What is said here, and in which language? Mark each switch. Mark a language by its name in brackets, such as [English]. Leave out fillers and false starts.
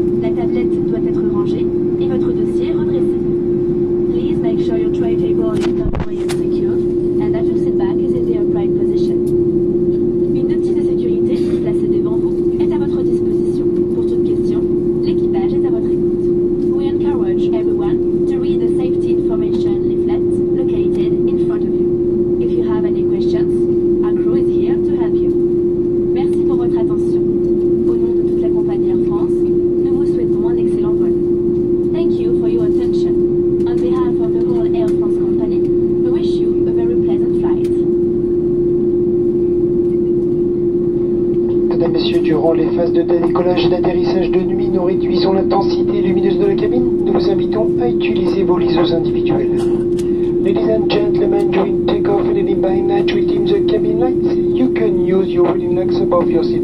[French] La tablette doit être rangée et votre dossier redressé. [English] Please make sure your tray table is tucked away and secure, and that your seat back is in the upright position. [French] Une outil de sécurité placée devant vous est à votre disposition. Pour toute question, l'équipage est à votre écoute. [English] We encourage everyone to read the safety information leaflet located in front of you. If you have any questions, our crew is here to help you. [French] Merci pour votre attention. Au nom de toute la compagnie Air France, nous vous souhaitons un excellent vol. [English] Thank you for your attention. On behalf of the whole Air France company, we wish you a very pleasant flight. [French] Mesdames, Messieurs, durant les phases de décollage et d'atterrissage de nuit, nous réduisons l'intensité lumineuse de la cabine. Nous vous invitons à utiliser vos liseuses individuelles. [English] Ladies and gentlemen, during takeoff and landing by night, we dim the cabin lights. You can use your reading lights above your seat.